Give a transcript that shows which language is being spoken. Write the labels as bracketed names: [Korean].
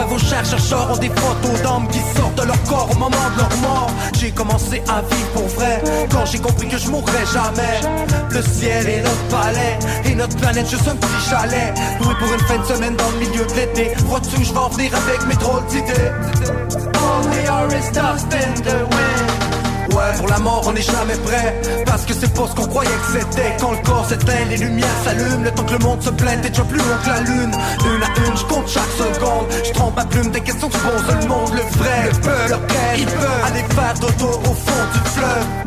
[French] Va vos chercheurs ont des photos d'hommes qui sortent de leur corps au moment de leur mort. J'ai commencé à vivre pour vrai quand j'ai compris que je mourrais jamais. Le ciel est notre palais et notre planète juste un petit chalet. Doué pour une fin de semaine dans le milieu de l'été. Crois-tu que je vais en venir avec mes drôles d'idées? [English] All we are is dust in the wind. [French] Ouais, pour la mort on n'est jamais prêt. Parce que c'est pas ce qu'on croyait que c'était. Quand le corps s'éteint, les lumières s'allument. Le temps que le monde se plaint, t'es déjà plus haut que la lune. Une à une, je compte chaque seconde. Je trempe ma plume des questions que se pose le monde. Le vrai, le peu, lequel, il peut aller faire d'auto au fond du fleuve.